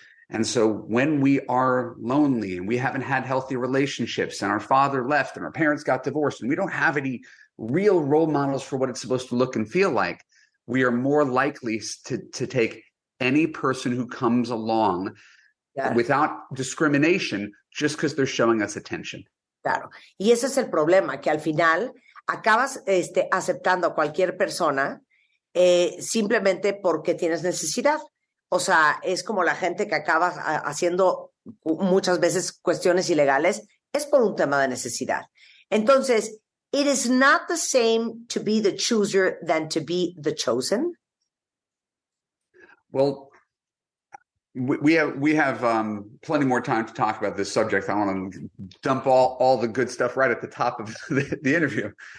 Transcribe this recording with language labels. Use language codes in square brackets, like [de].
[en] And so when we are lonely and we haven't had healthy relationships and our father left and our parents got divorced and we don't have any real role models for what it's supposed to look and feel like, we are more likely to take any person who comes along without discrimination just because they're showing us attention. [es] Claro. Y ese es el problema, que al final acabas aceptando a cualquier persona simplemente porque tienes necesidad. O sea, es como la gente que acaba haciendo muchas veces cuestiones ilegales, es por un tema de necesidad. Entonces, [en] it is not the same to be the chooser than to be the chosen. Well, we have plenty more time to talk about this subject. I want to dump all the good stuff right at the top of the interview.